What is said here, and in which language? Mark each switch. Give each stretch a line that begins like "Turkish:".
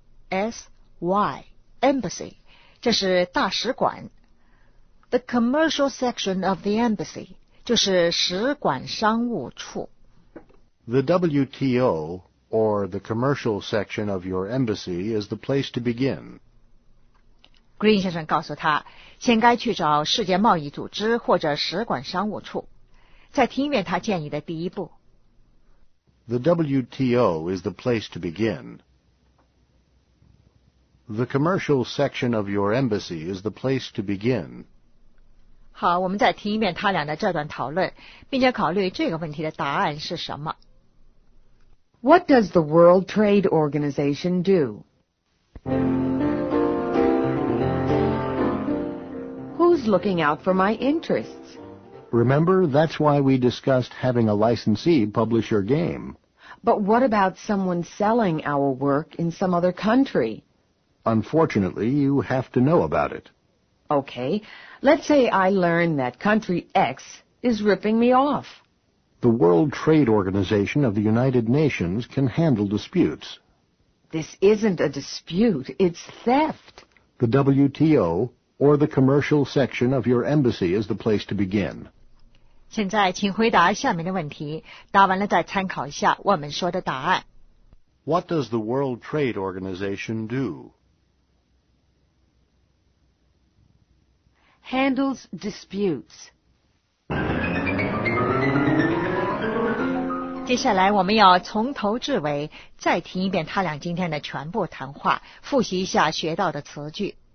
Chinese: E-M-B-A-S-S-Y, Embassy, 这是大使馆。
English: The commercial section of the embassy,
Chinese: 就是使馆商务处。
English: The WTO, or the commercial section of your embassy, is the place to begin.
Chinese: Green 先生告诉他，先该去找世界贸易组织或者使馆商务处，再听一遍他建议的第一步。
English: The WTO is the place to begin. The commercial section of your embassy is the place to begin.
Chinese: 好，我们再听一遍他俩的这段讨论，并且考虑这个问题的答案是什么。
English: What does the World Trade Organization do? Who's looking out for my interests? Remember, that's why we discussed having a licensee publish your game. But what about someone selling our work in some other country? Unfortunately, you have to know about it. Okay, let's say I learn that country X is ripping me off. The World Trade Organization of the United Nations can handle disputes. This isn't a dispute, it's theft. The WTO, or the commercial section of your embassy, is the place to begin.
Chinese: 现在请回答下面的问题，答完了再参考一下我们说的答案。
English: What does the World Trade Organization do? Handles disputes.
Chinese: 接下来我们要从头至尾再听一遍他俩今天的全部谈话，复习一下学到的词句。